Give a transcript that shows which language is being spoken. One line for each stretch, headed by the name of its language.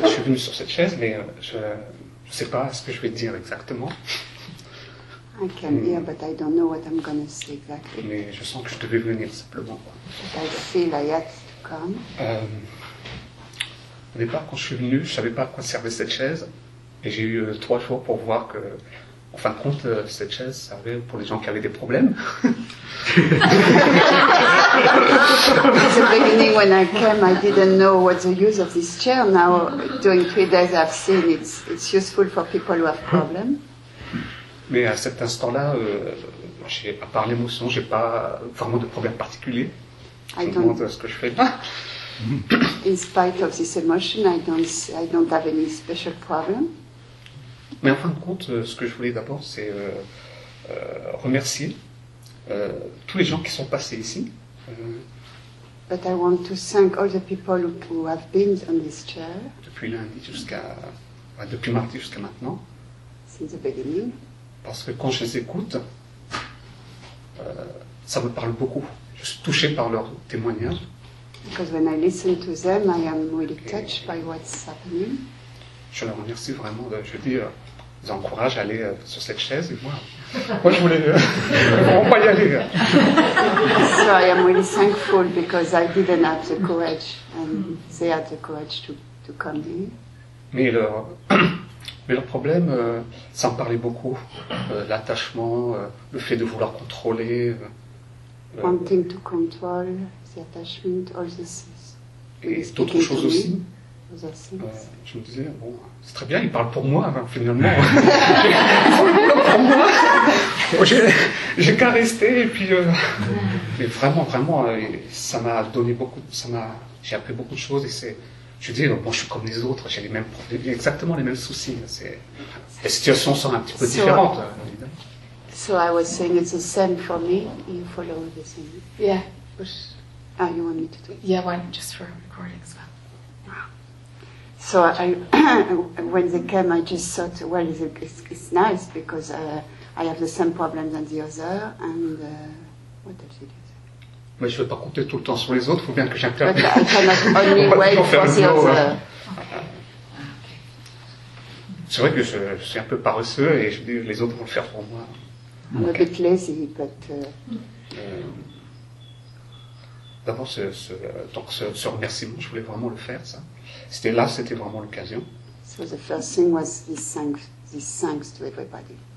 French: fait, je suis venue sur cette chaise, mais je ne sais pas ce que je vais dire exactement.
English: I came here, but I don't know what I'm going to say exactly.
French: Mais je sens que je devais venir, simplement.
English: But I feel I had to come.
French: Au départ, quand je suis venue, je ne savais pas à quoi servait cette chaise. Et j'ai eu 3 jours pour voir que, en fin de compte, cette chaise servait pour les gens qui avaient des problèmes.
English: At the beginning, when I came, I didn't know what the use of this chair. Now, during 3 days, I've seen it's useful for people who have problems.
French: Mais à cet instant-là, j'ai, à part l'émotion, je n'ai pas vraiment de problème particulier. Je me demande ce que je fais.
English: In spite of this emotion, I don't have any special problem.
French: Mais en fin de compte, ce que je voulais d'abord, c'est remercier tous les gens qui sont passés ici.
English: But I want to thank all the people who have been on this chair.
French: Depuis mardi jusqu'à maintenant.
English: Since the beginning.
French: Parce que quand je les écoute, ça me parle beaucoup. Je suis touché par leur témoignage.
English: Because when I listen to them, I am really touched by what's happening.
French: Je les remercie vraiment. Je dis, ils encouragent à aller sur cette chaise. Et moi, je voulais vraiment pas y aller.
English: So I am really thankful because I didn't have the courage, and they had the courage to come here.
French: Mais leur problème, ça me parlait beaucoup. L'attachement, le fait de vouloir contrôler.
English: Wanting to control. The attachment, all this.
French: Et d'autres choses aussi. Je me disais, bon, c'est très bien, il parle pour moi, hein, finalement. pour moi. J'ai qu'à rester, et puis. Mais vraiment, ça m'a donné beaucoup. J'ai appris beaucoup de choses, et c'est. Je dis, bon, je suis comme les autres, j'ai les mêmes problèmes, exactement les mêmes soucis. Les situations sont un petit peu différentes.
English: So I was saying it's the same for me, you follow the same. Yeah. Ah, you want me to do it? Yeah, one just for recording as well. So when they came, I just thought, well, it's nice because I have the same problem than the other, and what else did you say?
French: Mais je ne veux pas compter tout le temps sur les autres, il faut bien que j'interprète.
English: I cannot only wait for the other. Okay.
French: C'est vrai que je suis un peu paresseux et je dis, les autres vont le faire pour moi.
English: I'm okay. A bit lazy, but...
French: D'abord, ce remerciement, je voulais vraiment le faire, ça. C'était vraiment l'occasion.
English: So the first thing was this thanks to everybody.